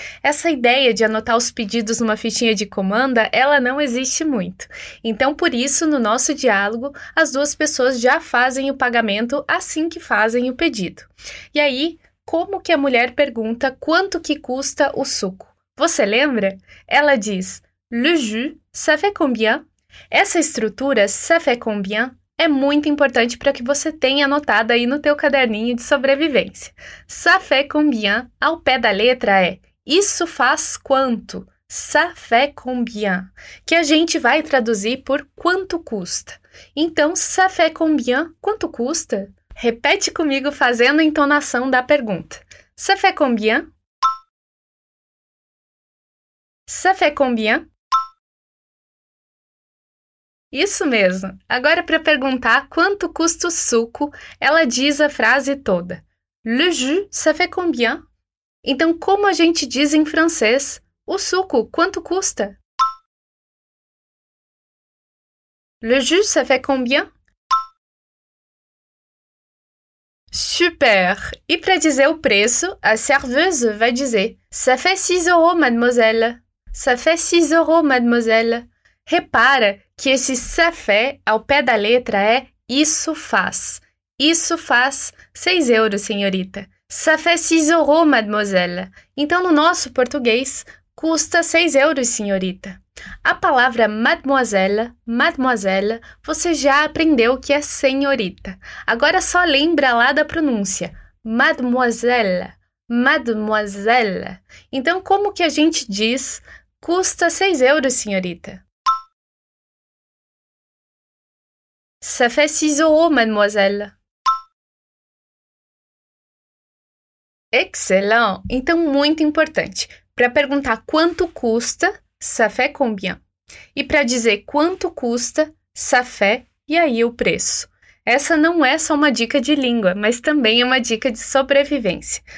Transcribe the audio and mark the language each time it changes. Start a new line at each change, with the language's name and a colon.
Portuguese: Essa ideia de anotar os pedidos numa fichinha de comanda, ela não existe muito. Então, por isso, no nosso diálogo, as duas pessoas já fazem o pagamento assim que fazem o pedido. E aí, como que a mulher pergunta quanto que custa o suco? Você lembra? Ela diz,
French: le jus, ça fait combien?
Portuguese: Essa estrutura,
French: ça fait combien,
Portuguese: é muito importante para que você tenha anotado aí no teu caderninho de sobrevivência.
French: Ça fait combien?
Portuguese: Ao pé da letra é isso faz quanto?
French: Ça fait combien?
Portuguese: Que a gente vai traduzir por quanto custa. Então,
French: ça fait combien?
Portuguese: Quanto custa? Repete comigo fazendo a entonação da pergunta.
French: Ça fait combien? Ça fait combien?
Portuguese: Isso mesmo. Agora, para perguntar quanto custa o suco, ela diz a frase toda.
French: Le jus, ça fait combien?
Portuguese: Então, como a gente diz em francês, o suco, quanto custa?
French: Le jus, ça fait combien?
Portuguese: Super! E para dizer o preço, a serveuse vai dizer
French: ça fait 6 euros, mademoiselle. Ça fait 6 euros, mademoiselle.
Portuguese: Repara que esse
French: ça fait
Portuguese: ao pé da letra é isso faz. Isso faz 6 euros, senhorita.
French: Ça fait 6 euros, mademoiselle.
Portuguese: Então, no nosso português, custa 6 euros, senhorita. A palavra mademoiselle, mademoiselle, você já aprendeu que é senhorita. Agora só lembra lá da pronúncia. Mademoiselle, mademoiselle. Então, como que a gente diz custa 6 euros, senhorita?
French: Ça fait 6 euros, mademoiselle. Excellent!
Portuguese: Então, muito importante. Para perguntar quanto custa,
French: ça fait combien?
Portuguese: E para dizer quanto custa,
French: ça fait
Portuguese: e aí o preço. Essa não é só uma dica de língua, mas também é uma dica de sobrevivência.